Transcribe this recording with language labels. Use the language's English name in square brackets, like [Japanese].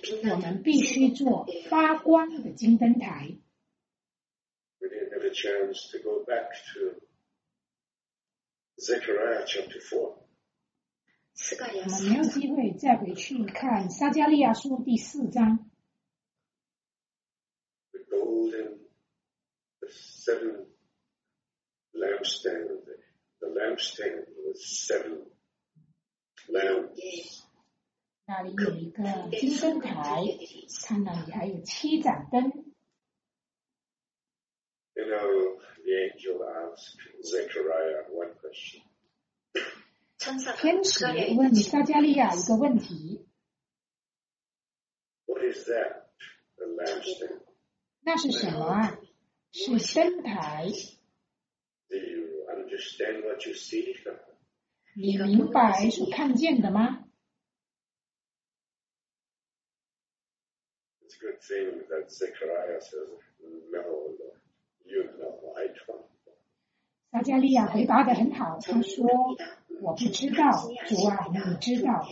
[Chinese] 我们必须做发光的金灯台。 [English] We didn't have a chance to go back to Zechariah chapter 4. [Chinese] 我们没有机会再回去看撒迦利亚书第四章。 [English] The golden, the seven lampstand, the lampstand with seven lamps. [Chinese] 那里有一个金灯台，它那里还有七盏灯。 [English] You know, the angel asked Zechariah one question. [Chinese] 天使问撒迦利亚一个问题。 [English] What is that? The lampstand. [Chinese] 那是什么啊？是灯台。 [English] Do you understand what you see? [Chinese] 你明白所看见的吗？ [English] Good thing that Zechariah says, No, Lord, you know, I don't. [Chinese] 撒迦利亚回答得很好，他说，我不知道，主啊，你知道。